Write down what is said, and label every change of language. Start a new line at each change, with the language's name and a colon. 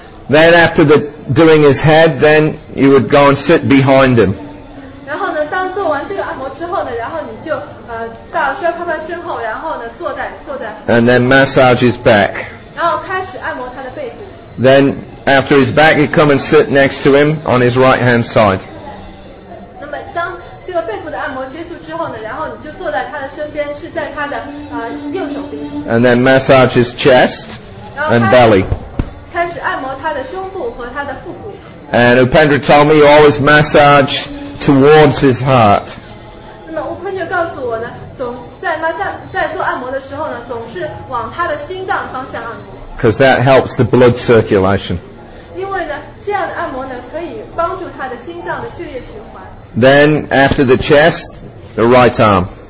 English: Then after the doing his head, then you would go and sit behind him.
Chinese: 然后呢，当做完这个按摩之后呢，然后你就到薛帕帕身后，然后呢坐在。
English: And then massage his back.
Chinese: 然后开始按摩他的背部。
English: Then after his back, you come and sit next to him on his right hand side.
Chinese: 那么当这个背部的按摩结束之后呢，然后你就坐在他的身边，是在他的右手边。
English: And then massage his chest. And belly.
Chinese: 开始按摩他的胸部和他的腹部。
English: And Upendra told me he always massage towards his heart.
Chinese: 那么 Upendra 告诉我呢，总在做按摩的时候呢，总是往他的心脏方向按摩。
English: Because that helps the blood circulation.
Chinese: 因为呢，这样的按摩呢，可以帮助他的心脏的血液循环。
English: Then after the chest, the right arm.